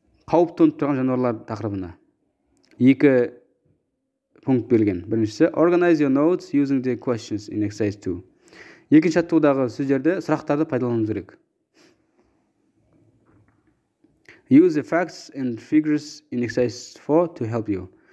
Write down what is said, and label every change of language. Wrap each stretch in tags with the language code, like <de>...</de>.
<kk>Қауіп төніп тұрған жануарлар тақырыбына. 2 пункт берілген. Біріншісі,</kk> <en>organize your notes using the questions in exercise 2.</en> <kk>Екінші аттығыдағы сөздерді, сұрақтарды пайдалануымыз керек.</kk> <en>Use the facts and figures in exercise 4 to help you.</en>